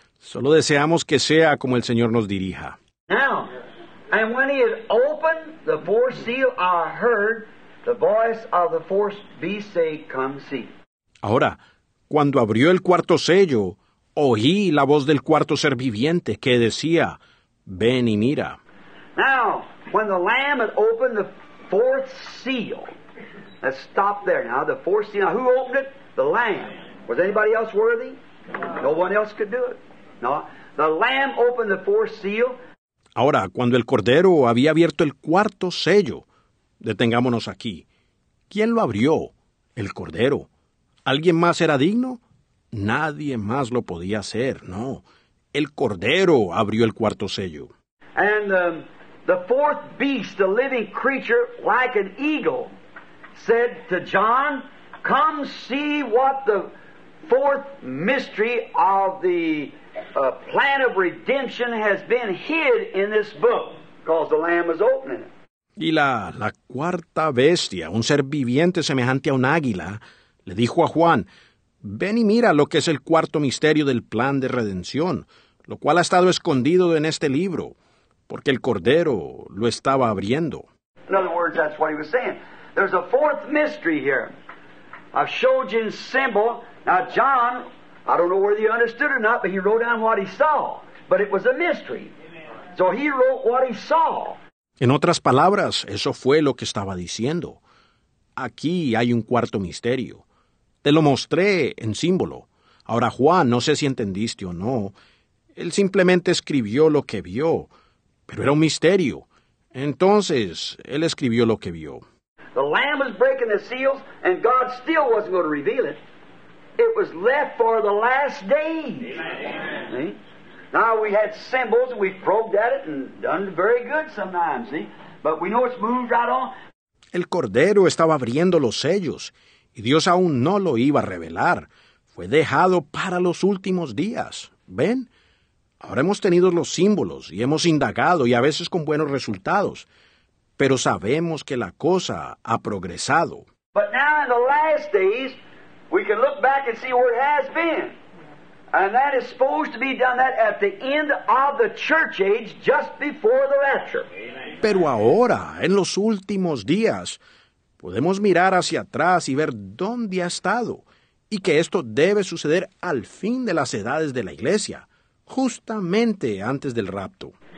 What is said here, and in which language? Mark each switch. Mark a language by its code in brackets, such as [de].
[es] Solo deseamos que sea como el Señor nos dirija. [en] Now, and when he had opened the fourth seal, I heard the voice of the fourth beast say, come see. [es] Ahora, cuando abrió el cuarto sello, oí la voz del cuarto ser viviente que decía, ven y mira. [en] Now, when the Lamb had opened the fourth seal, let's stop there now, the fourth seal, who opened it? The Lamb. Was anybody else worthy? No one else could do it. No, the Lamb opened the fourth seal. [es] Ahora, cuando el Cordero había abierto el cuarto sello, detengámonos aquí. ¿Quién lo abrió? El Cordero. ¿Alguien más era digno? Nadie más lo podía hacer, no. El Cordero abrió el cuarto sello. [en] And the fourth beast, the living creature, like an eagle, said to John, come see what the fourth mystery of the plan of redemption has been hid in this book, because the Lamb is opening it. [es] Y la cuarta bestia, un ser viviente semejante a un águila, le dijo a Juan, ven y mira lo que es el cuarto misterio del plan de redención, lo cual ha estado escondido en este libro, porque el Cordero lo estaba abriendo. [en] In other words, that's what he was saying. There's a fourth mystery here. I've showed you in symbol. Now, John, I don't know whether you understood or not, but he wrote down what he saw. But it was a mystery. So he wrote what he saw. [es] En otras palabras, eso fue lo que estaba diciendo. Aquí hay un cuarto misterio. Te lo mostré en símbolo. Ahora, Juan, no sé si entendiste o no. Él simplemente escribió lo que vio, pero era un misterio. Entonces, él escribió lo que vio. [en] The Lamb was breaking the seals, and God still wasn't going to reveal it. It was left for the last days. Amen. See? Now, we had symbols, and we probed at it, and done very good sometimes, see? But we know it's moved right on. [es] El Cordero estaba abriendo los sellos, y Dios aún no lo iba a revelar. Fue dejado para los últimos días. ¿Ven? Ahora hemos tenido los símbolos y hemos indagado y a veces con buenos resultados. Pero sabemos que la cosa ha progresado. [en] But now in the last days, we can look back and see where it has been. And that is supposed to be done that at the end of the church age, just before the rapture. [es] Pero ahora, en los últimos días, podemos mirar hacia atrás y ver dónde ha estado, y que esto debe suceder al fin de las edades de la iglesia, justamente antes del rapto.